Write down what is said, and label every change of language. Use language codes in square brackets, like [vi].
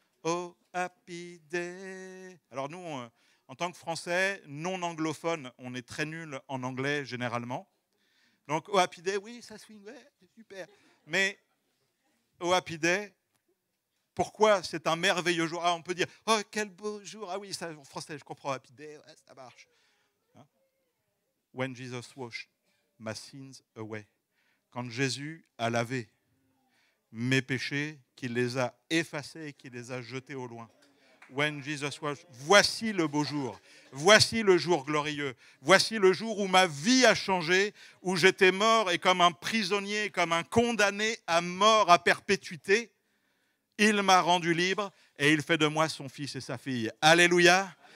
[fr] Oh, happy day. Alors nous, en tant que Français, non anglophones, on est très nuls en anglais, généralement. Donc, oh, happy day, oui, ça swing, ouais, c'est super. Mais, oh, happy day, pourquoi c'est un merveilleux jour? Ah, on peut dire, oh, quel beau jour. Ah oui, ça, en français, je comprends, happy day, ouais, ça marche. Hein? [en] When Jesus washed my sins away. [fr] Quand Jésus a lavé mes péchés, qu'il les a effacés et qu'il les a jetés au loin. [en] When Jesus was, [fr] voici le beau jour, voici le jour glorieux, voici le jour où ma vie a changé, où j'étais mort et comme un prisonnier, comme un condamné à mort à perpétuité, il m'a rendu libre et il fait de moi son fils et sa fille. Alléluia.